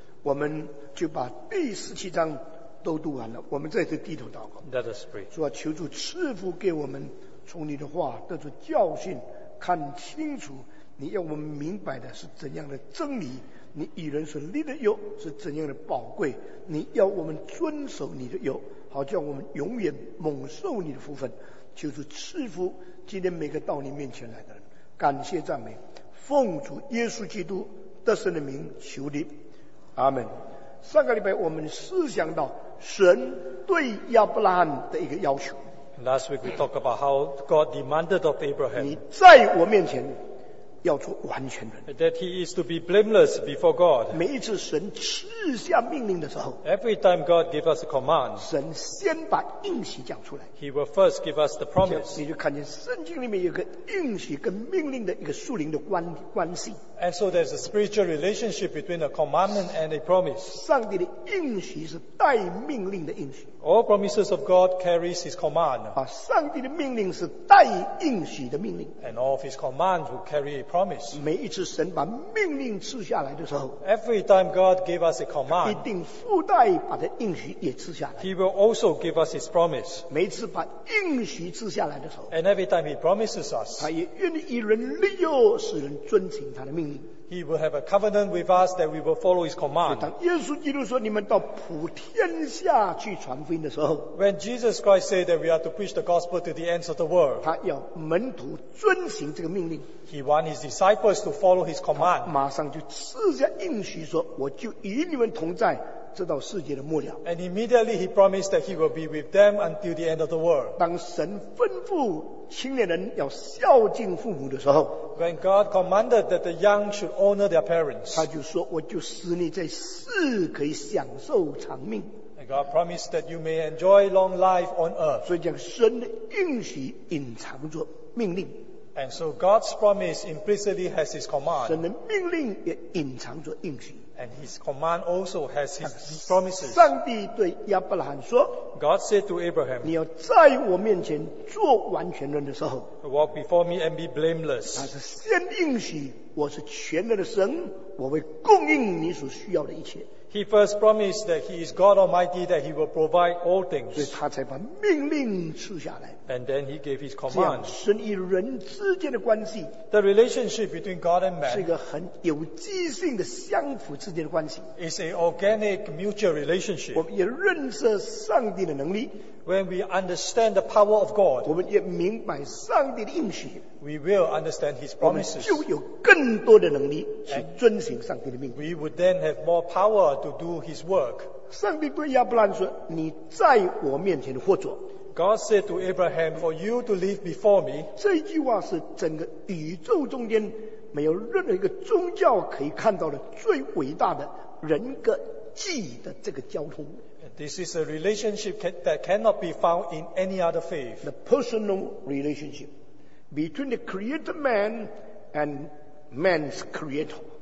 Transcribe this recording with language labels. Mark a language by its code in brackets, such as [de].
[zh] 我们就把第17章都读完了。我们再次低头祷告，主啊，求主赐福给我们，从你的话得出教训，看清楚你要我们明白的是怎样的真理，你与人所立的约是怎样的宝贵，你要我们遵守你的约，好叫我们永远蒙受你的福分。求主赐福今天每个到你面前来的人，感谢赞美，奉主耶稣基督得胜的名求你，阿们。上个礼拜我们思想到神对亚伯拉罕的一个要求。 [en] Last week we talked about how God demanded of Abraham. [zh] 你在我面前要做完全人。 [en] That he is to be blameless before God. [zh] 每一次神赐下命令的时候 [en] ，Every time God gives us a command， [zh] 神先把应许讲出来。 [en] He will first give us the promise。 [zh] 你就看见圣经里面有个应许跟命令的一个属灵的关系。 [en] And so there's a spiritual relationship between a commandment and a promise. [zh] 上帝的应许是带命令的应许。 [en] All promises of God carries His command. [zh] 啊，上帝的命令是带应许的命令。 [en] And all of His commands will carry a promise. [zh] 每一次神把命令赐下来的时候 [en] ，Every time God gave us a command, [zh] 一定附带把这应许也赐下来。 [en] He will also give us His promise. [zh] 每一次把应许赐下来的时候 [en] ，And every time He promises us, [zh] 他也愿意人利用，使人遵行他的命令。 [en] He will have a covenant with us that we will follow His command. [zh] 当耶稣基督说你们到普天下去传福音的时候 [en] ，When Jesus Christ said that we are to preach the gospel to the ends of the world, [zh] 他要门徒遵行这个命令。 [en] He wants His disciples to follow His command. [zh] 他马上就赐下应许说，我就与你们同在，直到世界的末了。 [en] And immediately He promised that He will be with them until the end of the world. [zh] 当神吩咐青年人要孝敬父母的时候 [en] ，When God commanded that the young should honor their parents， [zh] 他就说：“我就使你在世可以享受长命。 [en] ”And God promised that you may enjoy long life on earth。 [zh] 所以将神的应许隐藏作命令。 [en] And so God's promise implicitly has His command。 [zh] 神的命令也隐藏作应许。 [en] And His command also has His promises. [zh] 上帝对亚伯拉罕说 [en] ，God said to Abraham， [zh] 你要在我面前做完全人的时候 [en] ，Walk before me and be blameless。 [zh] 他是先应许，我是全能的神，我会供应你所需要的一切。 [en] He first promised that He is God Almighty, that He will provide all things. [zh] 所以他才把命令赐下来。 [en] And then He gave His command. [zh] 这样神与人之间的关系 [en] ，The relationship between God and man [zh] 是一个很有机性的相辅之间的关系。 [en] It's an organic mutual relationship. [zh] 我们也认识上帝的能力。 [en] When we understand the power of God, [zh] 我们也明白上帝的应许。 [en] We will understand His promises. [zh] 我们就有更多的能力去遵行上帝的命令。 [en] We would then have more power to do His work. [zh] 上帝对亚伯拉罕说：“你在我面前活着。” [en] God said to Abraham, "For you to live before me." [zh] 这句话是整个宇宙中间没有任何一个宗教可以看到的最伟大的人格记的这个交通。 [en] This is a relationship that cannot be found in any other faith. The personal relationship between the Creator man and man's Creator.